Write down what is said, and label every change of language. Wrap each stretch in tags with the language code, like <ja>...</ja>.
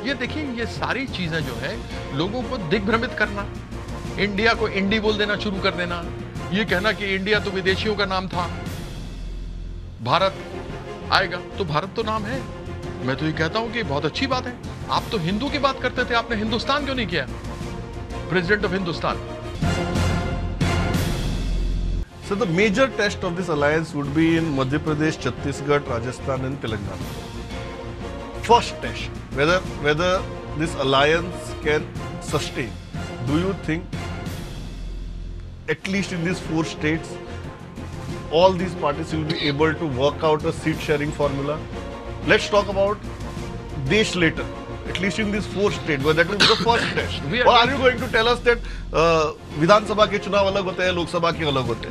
<hi>Ye dekhiye, ye sari cheeze jo hai logo ko digbhramit karna, India को इंडी बोल देना शुरू कर देना, ये कहना कि इंडिया तो विदेशियों का नाम था, भारत आएगा तो भारत तो नाम है। मैं तो ये कहता हूं कि बहुत अच्छी बात है, आप तो हिंदू की बात करते थे, आपने हिंदुस्तान क्यों नहीं किया president of Hindustan?</hi> <en>Sir, the major test of this alliance would be in Madhya Pradesh, Chhattisgarh, Rajasthan and Telangana. First test, whether this alliance can sustain. Do you think, at least in these 4 states, all these parties will be able to work out a seat-sharing formula? Let's talk about Desh later. At least in these 4 states, but that will be the first test. Are you going to tell us that</en> <hi>Vidhan Sabha ke chunav alag hote hai, Lok Sabha ke alag hote</hi>